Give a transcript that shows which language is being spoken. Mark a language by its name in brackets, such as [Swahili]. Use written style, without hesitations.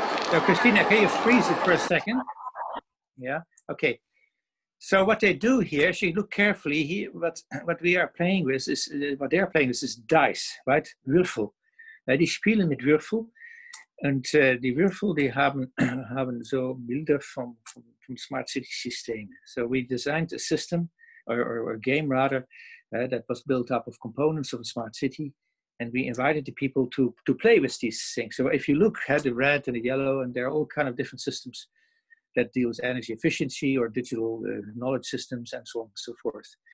[English] So Christina, can you freeze it for a second? Yeah, okay. So what they do here, if you look carefully here, what we are playing with is, what they are playing with is dice, right? [German] Würfel. Die spielen mit Würfel, und die Würfel, die haben so Bilder vom Smart City System. [English] So we designed a system, or a game rather, that was built up of components of a smart city, and we invited the people to play with these things. So if you look at the red and the yellow, and there are all kind of different systems that deal with energy efficiency or digital knowledge systems and so on and so forth.